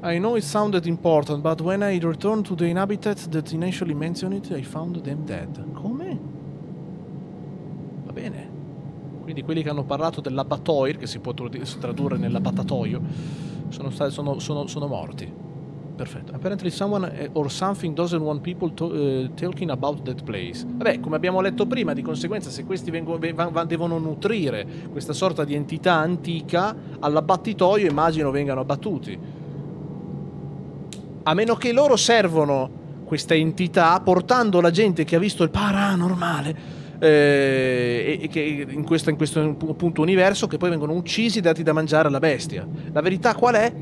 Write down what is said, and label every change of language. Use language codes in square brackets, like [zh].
[en] I know it sounded important, but when I returned to the inhabitat that initially mentioned it, I found them dead. [it] Come? Va bene. Quindi quelli che hanno parlato dell'abattoir, che si può tradurre nell'abbattatoio, sono morti. Perfetto. [en] Apparently someone or something doesn't want people talking about that place. [it] Vabbè, come abbiamo letto prima, di conseguenza se questi devono nutrire questa sorta di entità antica all'abbattitoio, immagino vengano abbattuti. A meno che loro servono questa entità portando la gente che ha visto il paranormale in questo appunto universo, che poi vengono uccisi e dati da mangiare alla bestia. La verità qual è?